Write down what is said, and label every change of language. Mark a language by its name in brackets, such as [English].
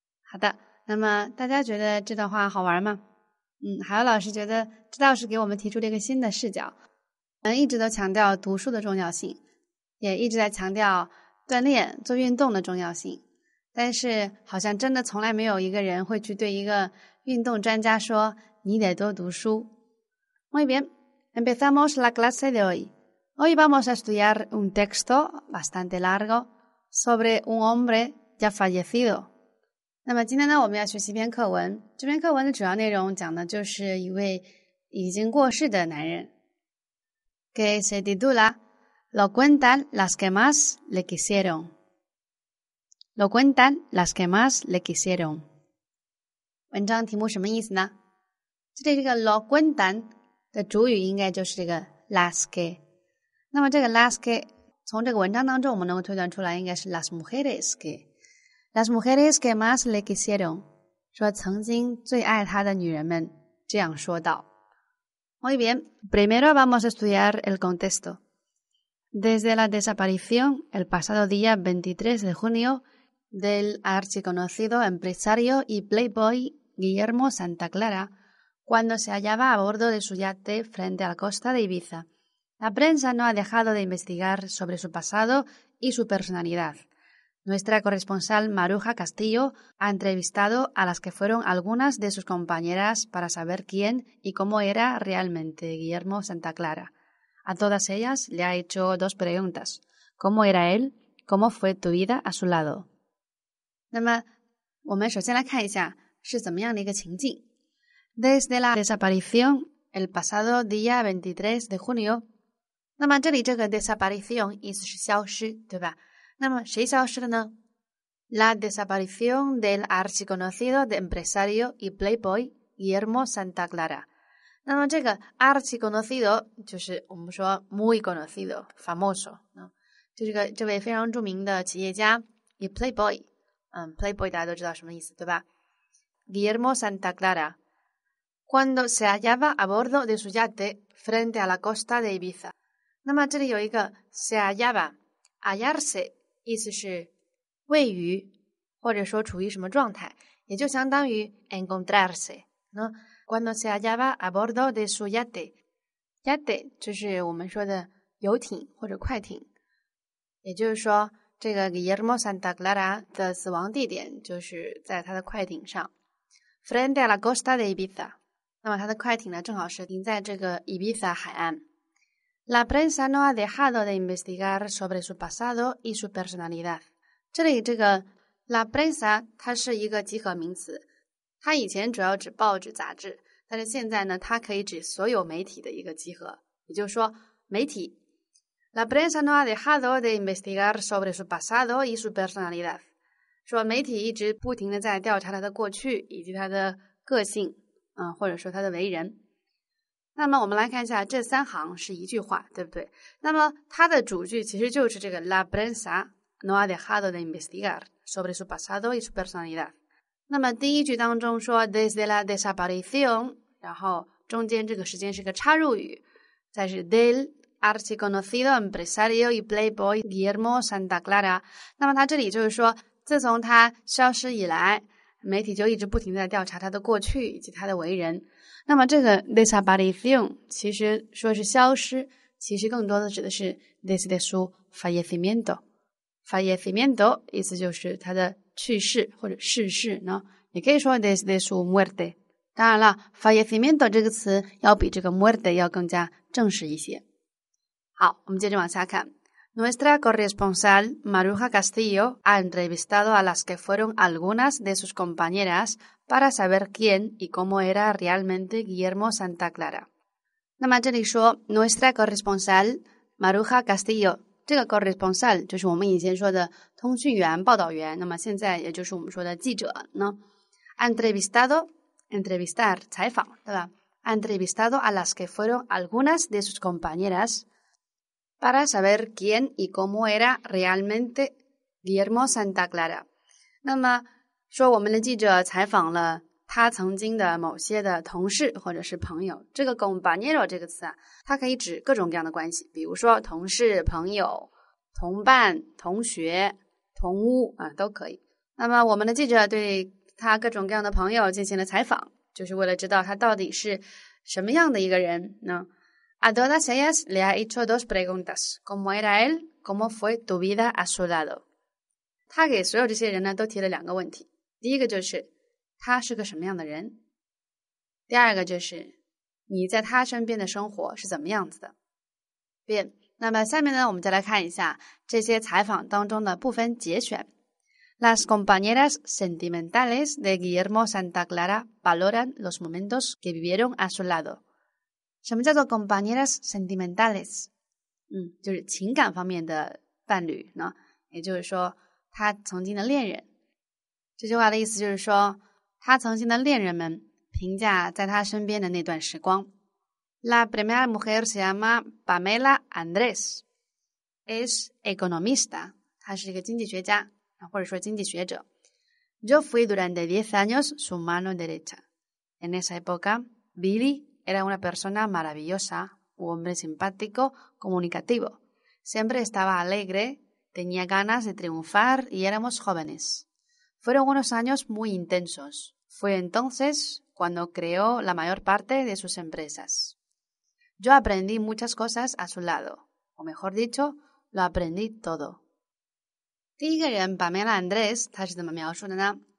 [Chinese] 好的，那么大家觉得这段话好玩吗？海鸥老师觉得这倒是给我们提出了一个新的视角。我们一直都强调读书的重要性，也一直在强调锻炼做运动的重要性，但是好像真的从来没有一个人会去对一个运动专家说你得多读书。 [Spanish] Muy bien, empezamos la clase de hoy. Hoy vamos a estudiar un texto bastante largo sobre un hombre ya fallecido. [Chinese] 那么今天呢，我们要学习一篇课文。这篇课文的主要内容讲的就是一位已经过世的男人。 [Spanish] Que se titula Lo cuentan las que más le quisieron. Lo cuentan las que más le quisieron. [Chinese] 文章题目什么意思呢？这里这个 [Spanish] Lo cuentan [Chinese] 的主语应该就是这个 [Spanish] las que。 [Chinese] 那么这个 las que 从这个文章当中我们能够推断出来，应该是 [Spanish] las mujeres que las mujeres que más le quisieron， [Chinese] 说曾经最爱他的女人们这样说道。 [Spanish] Muy bien, primero vamos a estudiar el contexto. Desde la desaparición el pasado día 23 de junio del archiconocido empresario y playboy Guillermo Santa Clara, cuando se hallaba a bordo de su yate frente a la costa de Ibiza. La prensa no ha dejado de investigar sobre su pasado y su personalidad. Nuestra corresponsal Maruja Castillo ha entrevistado a las que fueron algunas de sus compañeras para saber quién y cómo era realmente Guillermo Santa Clara. A todas ellas le ha hecho dos preguntas. ¿Cómo era él? ¿Cómo fue tu vida a su lado? [Chinese] 那么我们首先来看一下是怎么样的一个情境。 [Spanish] Desde la desaparición el pasado día 23 de junio, [Chinese] 那么这里这个 desaparición 意思是消失，对吧？那么谁消失了呢？ [Spanish] La desaparición del archiconocido de empresario y playboy Guillermo Santa Clara。 [Chinese] 那么这个 archiconocido 就是我们说 [Spanish] muy conocido, famoso、 [Chinese] 就是个这位非常著名的企业家 [Spanish] y playboy、 [Chinese] playboy 大家都知道什么意思，对吧？ [Spanish] Guillermo Santa Clara cuando se hallaba a bordo de su yate frente a la costa de Ibiza。 [Chinese] 那么这里有一个 [Spanish] se hallaba, hallarse, [Chinese] 意思是位于或者说处于什么状态，也就相当于 [Spanish] encontrarse, ¿no? Cuando se hallaba a bordo de su yate, [Chinese] Yate 就是我们说的游艇或者快艇，也就是说这个 Guillermo Santa Clara 的死亡地点就是在他的快艇上 [Spanish] Frente a la costa de Ibiza。 [Chinese] 那么他的快艇呢正好是停在这个 Ibiza 海岸。 [Spanish] La prensa no ha dejado de investigar sobre su pasado y su personalidad。 [Chinese] 这里这个 [Spanish] La prensa [Chinese] 它是一个集合名词，它以前主要指报纸杂志，但是现在呢它可以指所有媒体的一个集合，也就是说媒体。 [Spanish] La prensa no ha dejado de investigar sobre su pasado y su personalidad. [Chinese] 说媒体一直不停地在调查他的过去以及他的个性，或者说他的为人。那么我们来看一下这三行是一句话，对不对？那么它的主句其实就是这个 [Spanish] La prensa no ha dejado de investigar sobre su pasado y su personalidad. [Chinese] 那么第一句当中说 [Spanish] desde la desaparición, [Chinese] 然后中间这个时间是个插入语，再是 [Spanish] del,archiconocido empresario y playboy Guillermo Santa Clara。 [Chinese] 那么他这里就是说自从他消失以来媒体就一直不停地调查他的过去以及他的为人。那么这个 desaparición 其实说是消失，其实更多的指的是 [Spanish] desde su fallecimiento。 [Chinese] fallecimiento 意思就是他的去世或者逝世呢，也可以说 [Spanish] desde su muerte。 [Chinese] 当然了 fallecimiento 这个词要比这个 muerte 要更加正式一些。好，我们接着往下看。 [Spanish] Nuestra corresponsal Maruja Castillo ha entrevistado a las que fueron algunas de sus compañeras para saber quién y cómo era realmente Guillermo Santa Clara。 [Chinese] 那么这里说 [Spanish] Nuestra corresponsal [Chinese] Maruja Castillo， 这个 corresponsal 就是我们以前说的通讯员、报道员，那么现在也就是我们说的记者呢。 [Spanish] Entrevistado， entrevistar [Chinese] 采访，对吧？ [Spanish] Entrevistado a las que fueron algunas de sus compañeras。 Para saber quién y cómo era realmente Guillermo Santa Clara。 [Chinese] 那么说我们的记者采访了他曾经的某些的同事或者是朋友。这个 compañero 这个词啊，它可以指各种各样的关系，比如说同事、朋友、同伴、同学、同屋啊，都可以。那么我们的记者对他各种各样的朋友进行了采访，就是为了知道他到底是什么样的一个人呢。 [Spanish] A todas ellas le ha hecho dos preguntas. ¿Cómo era él? ¿Cómo fue tu vida a su lado? [Chinese] 他给所有这些人呢都提了两个问题。第一个就是他是个什么样的人。第二个就是你在他身边的生活是怎么样子的。变。那么下面呢我们再来看一下这些采访当中的部分节选。 [Spanish] Las compañeras sentimentales de Guillermo Santa Clara valoran los momentos que vivieron a su lado. [Chinese] 什么叫做 [Spanish] compañeras sentimentales？ [Chinese] 就是情感方面的伴侣呢，也就是说他曾经的恋人。这句话的意思就是说他曾经的恋人们评价在他身边的那段时光。 [Spanish] La primera mujer se llama Pamela Andrés. Es economista. [Chinese] 他是一个经济学家或者说经济学者。 [Spanish] Yo fui durante 10 años su mano derecha. En esa época, Billy... Era una persona maravillosa, un hombre simpático, comunicativo. Siempre estaba alegre, tenía ganas de triunfar y éramos jóvenes. Fueron unos años muy intensos. Fue entonces cuando creó la mayor parte de sus empresas. Yo aprendí muchas cosas a su lado. O mejor dicho, lo aprendí todo. [Chinese] 第一个人 [Spanish] Pamela Andrés, [Chinese] 他是怎么描述的呢？